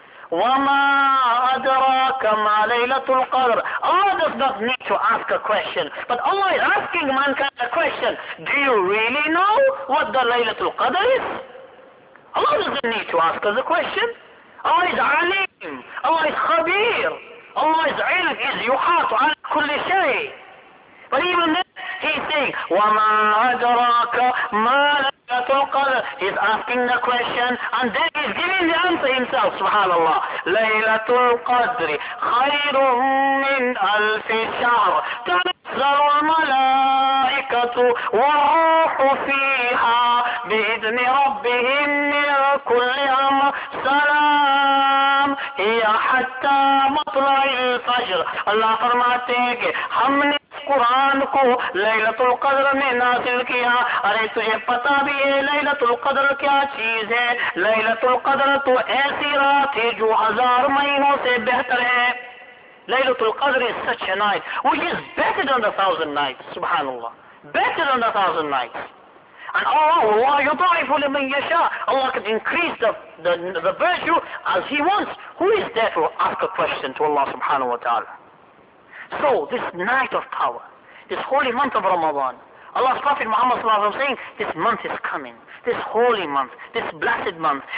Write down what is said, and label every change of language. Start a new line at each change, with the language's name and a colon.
Arabic: وَمَا أَدْرَاكَ مَا لَيْلَةُ الْقَدْرِ.
English: Allah does not need to ask a question, but Allah is asking mankind a question. Do you really know what the Laylatul Qadr is? Allah doesn't need to ask us a question. Allah is Alim. Allah is Khabir. Allah is Ilm. Is Yuhatu
Arabic: عَلَى كُلِّ شَيْءٍ.
English: But even then, he's saying,
Arabic: وَمَا أَدْرَاكَ مَا لَيْلَةُ الْقَدْرِ.
English: He's asking the question, and then he's giving the answer himself, subhanAllah.
Arabic: لَيْلَةُ الْقَدْرِ خَيْرٌ مِّنْ أَلْفِ شَهْرٍ تَنَزَّلُ الْمَلَائِكَةُ وَالرُّوحُ فِيهَا بِإِذْنِ رَبِّهِمْ مِّنْ كُلِّ أَمْرٍ سَلَامٍ هِيَ حَتَّى مَطْلَعِ الْفَجْرِ.
Urdu: Allah فرماتے ہیں کہ ہم نے قرآن کو لیلت القدر میں نازل کیا. ارے تجھے پتا بھی ہے لیلت القدر کیا چیز ہے؟ لیلت القدر تو ایسی رات ہے جو 1,000 مہینوں سے بہتر ہے.
English: لیلت القدر is such a night which is better than the 1,000 nights, سبحان اللہ, better than the 1,000 nights. And Allah
Arabic: يضعف لمن يشاء.
English: Allah can increase the virtue as he wants. Who is there to ask a question to Allah سبحانه وتعالى? So this night of power, this holy month of Ramadan, Allah's Prophet Muhammad sallallahu alaihi wasallam saying, this month is coming, this holy month, this blessed month.